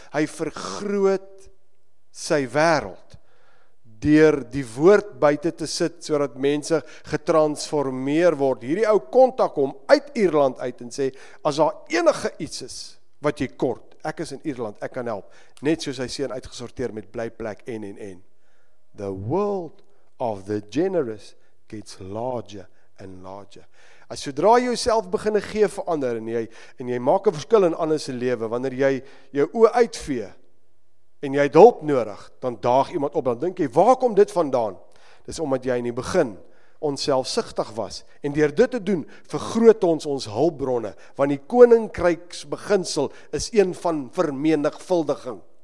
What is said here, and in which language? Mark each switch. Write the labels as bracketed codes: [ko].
[af] Hy vergroot sy wêreld deur die woord buite te sit sodat mense getransformeer word. Hierdie ou kontak hom uit Ierland uit en sê as daar enige iets is wat jy kort, ek is in Ierland, ek kan help. Net soos hy seun uitgesorteer met blyplek en. [en] The world of the generous gets larger and larger. [af] As sodra jy jouself begin gee vir ander en jy maak 'n verskil in ander se lewe, wanneer jy jou oë uitvee en jy het hulp nodig, dan daag iemand op, dan dink jy, waar kom dit vandaan? Dis omdat jy in die begin onselfsugtig was en deur dit te doen, vergroot ons hulpbronne, want die koninkryksbeginsel is een van vermenigvuldiging.